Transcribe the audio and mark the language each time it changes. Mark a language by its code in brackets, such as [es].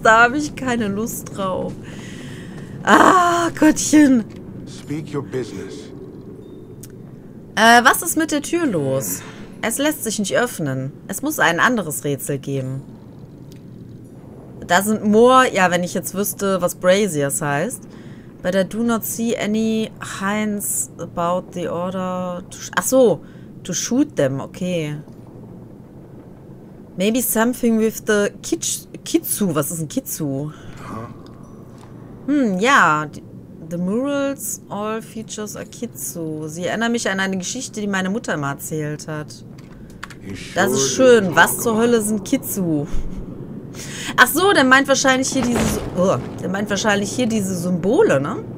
[de] Da habe ich keine Lust drauf. Ah, Gottchen. [en] Speak your business. [de] Was ist mit der Tür los? Es lässt sich nicht öffnen. Es muss ein anderes Rätsel geben. Da sind Moore. Ja, wenn ich jetzt wüsste, was Braziers heißt. [en] But I do not see any signs about the order to... [de] Ach so, [en] to shoot them. Okay. Maybe something with the Kitsu. [de] Was ist ein Kitsu? Hm, ja. [en] The murals all features are Kitsu. [de] Sie erinnern mich an eine Geschichte, die meine Mutter immer erzählt hat. Das ist schön. Was zur Hölle sind Kitsu? Ach so, der meint wahrscheinlich hier dieses... Oh, der meint wahrscheinlich hier diese Symbole, ne?